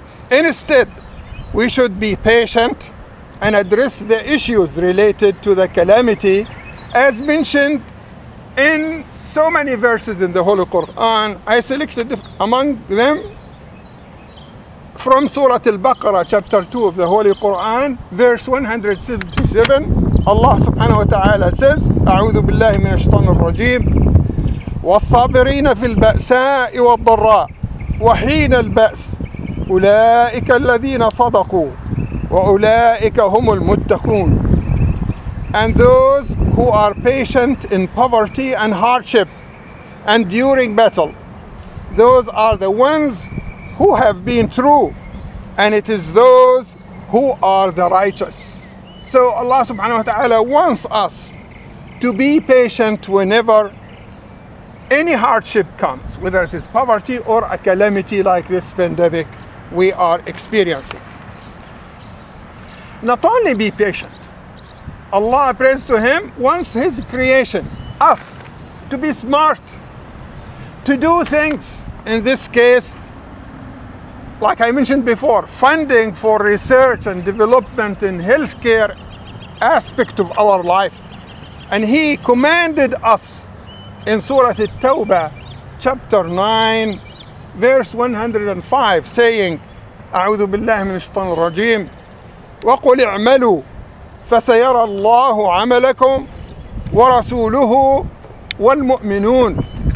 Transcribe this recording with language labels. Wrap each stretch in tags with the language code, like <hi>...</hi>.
<en>Instead, we should be patient and address the issues related to the calamity as mentioned in so many verses in the Holy Quran. I selected among them from Surah Al-Baqarah, chapter 2 of the Holy Quran, verse 177. Allah subhanahu wa ta'ala says,</en> <ar>أَعُوذُ بِاللَّهِ مِنَ الشَّيْطَانِ الرَّجِيمِ وَالصَّابِرِينَ فِي الْبَأْسَاءِ وَالضَّرَّاءِ وَحِينَ الْبَأْسِ أُولَٰئِكَ الَّذِينَ صَدَقُوا وَأُولَٰئِكَ هُمُ الْمُتَّقُونَ.</ar> <en>And those who are patient in poverty and hardship and during battle, those are the ones who have been true, and it is those who are the righteous. So Allah subhanahu wa ta'ala wants us to be patient whenever any hardship comes, whether it is poverty or a calamity like this pandemic we are experiencing. Not only be patient, Allah prays to Him, wants His creation, us, to be smart, to do things, in this case, like I mentioned before, funding for research and development in healthcare aspect of our life. And He commanded us in Surah At-Tawbah, chapter 9, verse 105, saying,</en> <ar>أعوذ بالله من الشيطان الرجيم وقل اعملوا فسيرى الله عملكم ورسوله والمؤمنون.</ar>